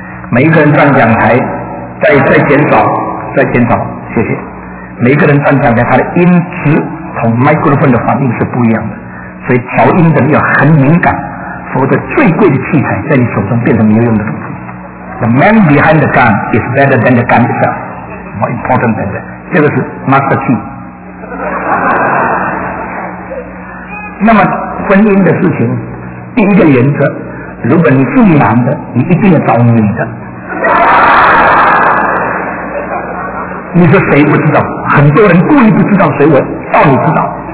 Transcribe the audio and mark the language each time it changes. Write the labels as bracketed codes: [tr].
[zh] 每一个人上讲台再减少，再减少，谢谢。每一个人上讲台他的音质同 microphone 的反应是不一样的，所以调音的要很敏感，否则最贵的器材在你手中变成没有用的东西。 [en] The man behind the gun is better than the gun itself, more important than that. [zh] 这个是 master key。那么婚姻的事情，第一个原则，如果你是男的，你一定要找女的。你说谁不知道？很多人故意不知道，所以我到底知道。